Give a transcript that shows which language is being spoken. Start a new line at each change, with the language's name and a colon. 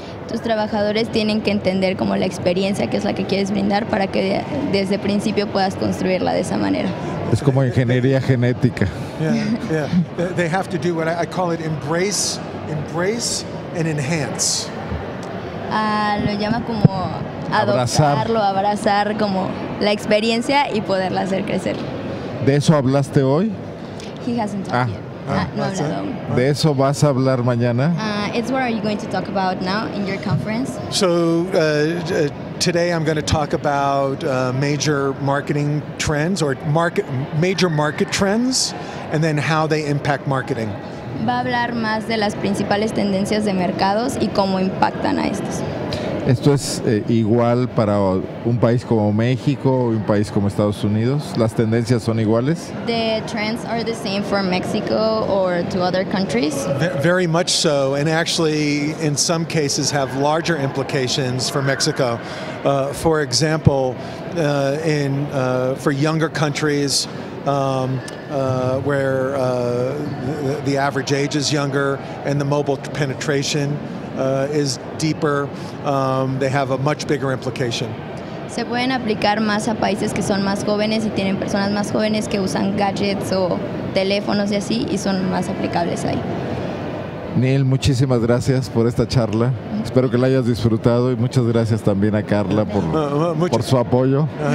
Spanish: Tus trabajadores tienen que entender como la experiencia que es la que quieres brindar para que desde principio puedas construirla de esa manera. Es como ingeniería genética.
English: Yeah. They have to do what I call it embrace and enhance.
Spanish: Lo llama como adoptarlo, abrazar como la experiencia y poderla hacer crecer. ¿De eso hablaste hoy?
English: He hasn't talked yet. No,
Spanish: ¿de eso vas a hablar mañana?
English: It's what are you going to talk about now in your conference? So today I'm going to talk about major marketing trends or major market trends and then how they impact marketing.
Spanish: Va a hablar más de las principales tendencias de mercados y cómo impactan a estos. ¿Esto es igual para un país como México o un país como Estados Unidos? ¿Las tendencias son iguales?
English: The trends are the same for Mexico or to other countries? Very much so, and actually in some cases have larger implications for Mexico. For example, for younger countries where the average age is younger and the mobile penetration is deeper, they have a much bigger implication.
Spanish: Se pueden aplicar más a países que son más jóvenes y tienen personas más jóvenes que usan gadgets o teléfonos y así y son más aplicables ahí. Neil, muchísimas gracias por esta charla. Espero que la hayas disfrutado y muchas gracias también a Carla por su apoyo.